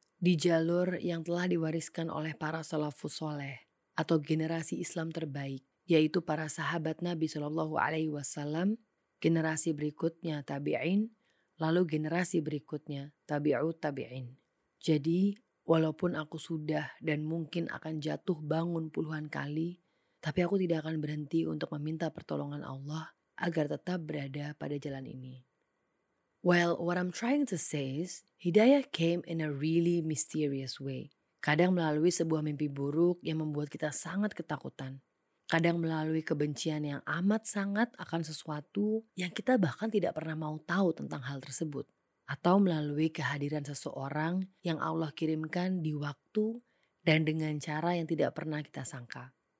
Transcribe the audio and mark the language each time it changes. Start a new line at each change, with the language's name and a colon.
Indonesian: Di jalur yang telah diwariskan oleh para salafus soleh atau generasi Islam terbaik, yaitu para sahabat Nabi Shallallahu Alaihi Wasallam, generasi berikutnya tabi'in, lalu generasi berikutnya tabi'ut tabi'in. Jadi, walaupun aku sudah dan mungkin akan jatuh bangun puluhan kali, tapi aku tidak akan berhenti untuk meminta pertolongan Allah agar tetap berada pada jalan ini.
English: Well, what I'm trying to say is, hidayah came in a really mysterious way.
Indonesian: Kadang melalui sebuah mimpi buruk yang membuat kita sangat ketakutan. Kadang melalui kebencian yang amat sangat akan sesuatu yang kita bahkan tidak pernah mau tahu tentang hal tersebut. Atau melalui kehadiran seseorang yang Allah kirimkan di waktu dan dengan cara yang tidak pernah kita sangka.